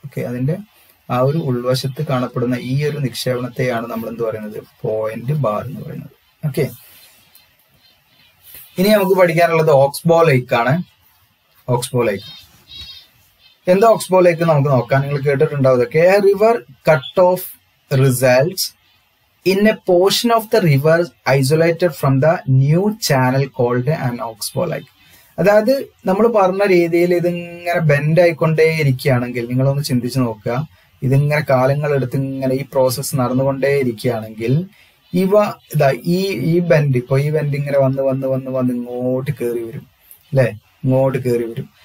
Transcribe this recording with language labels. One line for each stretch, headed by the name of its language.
Malayalam: Okay, അതിന്റെ ആ ഒരു ഉൾവശത്ത് കാണപ്പെടുന്ന ഈ ഒരു നിക്ഷേപണത്തെയാണ് നമ്മൾ എന്ത് പറയുന്നത്, പോയിന്റ് ബാർ എന്ന് പറയുന്നത്. ഇനി നമുക്ക് പഠിക്കാനുള്ളത് ഓക്സ്ബോ ലേക്ക് ആണ്. ഓക്സ്ബോ ലേക്ക് എന്താ, ഓക്സ്ബോ ലേക്ക് നമുക്ക് നോക്കാം. നിങ്ങൾ കേട്ടിട്ടുണ്ടാവും ഇതൊക്കെ.
English: A river cut off results in a portion of the river isolated from the new channel called an oxbow lake.
Malayalam: അതായത് നമ്മൾ പറഞ്ഞ രീതിയിൽ ഇതിങ്ങനെ ബെൻഡ് ആയിക്കൊണ്ടേ ഇരിക്കുകയാണെങ്കിൽ, നിങ്ങളൊന്ന് ചിന്തിച്ചു നോക്കുക, ഇതിങ്ങനെ കാലങ്ങളെടുത്ത് ഇങ്ങനെ ഈ പ്രോസസ്സ് നടന്നുകൊണ്ടേ ഇരിക്കുകയാണെങ്കിൽ, ഇവ ഇതാ ഈ ഈ ബെൻഡ്, ഇപ്പൊ ഈ ബെൻഡ് ഇങ്ങനെ വന്ന് വന്ന് വന്ന് വന്ന് ഇങ്ങോട്ട് കയറി വരും അല്ലെ, ഇങ്ങോട്ട് കയറി വരും.